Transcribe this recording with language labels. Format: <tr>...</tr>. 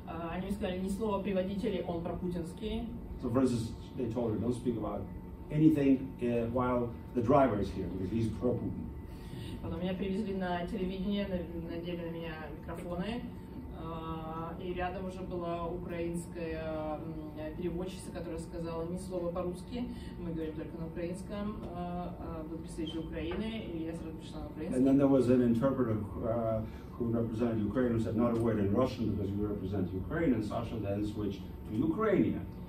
<ru>Они сказали, ни слова при водителе, он пропутинский.</ru> <en>So for instance, they told her, don't speak about anything while the driver is here, because he's pro-Putin.</en> <ru>Потом меня привезли на телевидение, надели на меня микрофоны, и рядом уже была украинская переводчица, которая сказала ни слова по-русски, мы говорим только на украинском, был представитель Украины, и я сразу пришла на украинский.</ru> <en>And then there was an interpreter who represented Ukraine, who said not a word in Russian, because you represent Ukraine, and Sasha then switched to Ukrainian.</en>